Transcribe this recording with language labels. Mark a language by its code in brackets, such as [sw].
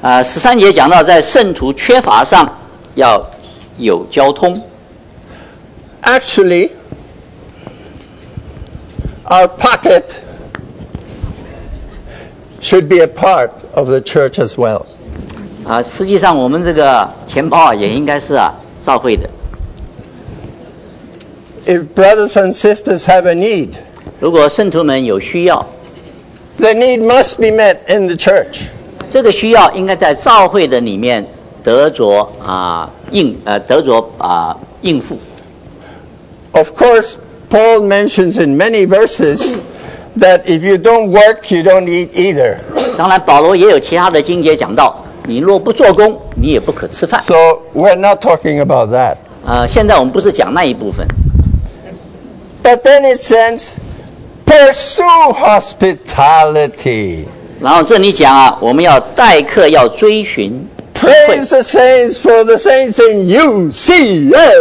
[zh] 十三节讲到在圣徒缺乏上要。有交通。 [en] Actually, our pocket should be a part of the church as well. [zh] 实际上我们这个钱包啊，也应该是啊，教会的。 [en] If brothers and sisters have a need, [zh] 如果圣徒们有需要 [en] ，the need must be met in the church. [zh] 这个需要应该在教会的里面得着啊应得着啊应付。 [en] Of course, Paul mentions in many verses that if you don't work, you don't eat either. [zh] 当然，保罗也有其他的经节讲到，你若不做工，你也不可吃饭。 [en] So we're not talking about that. [zh] 现在我们不是讲那一部分。 [en] But then it says, pursue hospitality. [zh] 然后这里讲啊，我们要待客，要追寻。 [en] Praise the saints for the saints in UCLA.